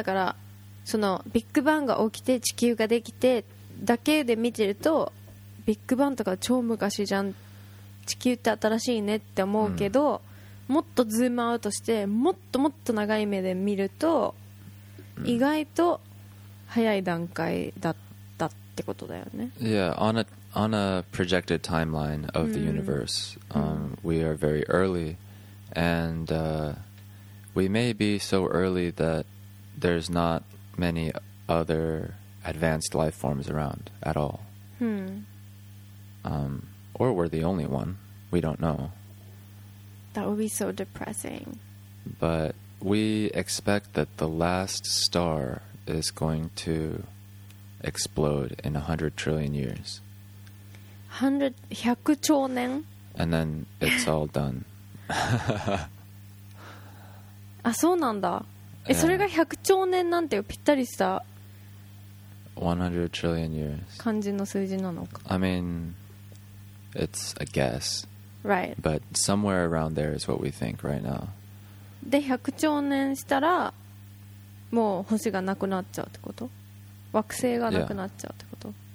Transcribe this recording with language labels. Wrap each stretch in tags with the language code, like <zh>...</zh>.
<ja>だからそのビッグバンが起きて地球ができてだけで見てるとビッグバンとか超昔じゃん、地球って新しいねって思うけど、うん、もっとズームアウトしてもっともっと長い目で見ると、うん、意外と早い段階だったってことだよね。</ja> <en>Yeah, on a projected timeline of the universe、we are very early and、we may be so early that there's not many other advanced life forms around at all、or we're the only one. We don't know. That would be so depressing. But we expect that the last star is going to explode in 100 trillion years.</en> <ja>100 兆年?</ja> <en>And then it's all done.</en> <ja>あ、そうなんだ。え、それが100兆年なんてぴったりした</ja> <en>100 trillion years</en> <ja>感じの数字なのか。</ja> <en>I mean... It's a guess. Right. But somewhere around there is what we think right now.</en> <ja>で、100兆年したら、もう星がなくなっちゃうってこと？惑星がなくなっちゃうってこと？</ja>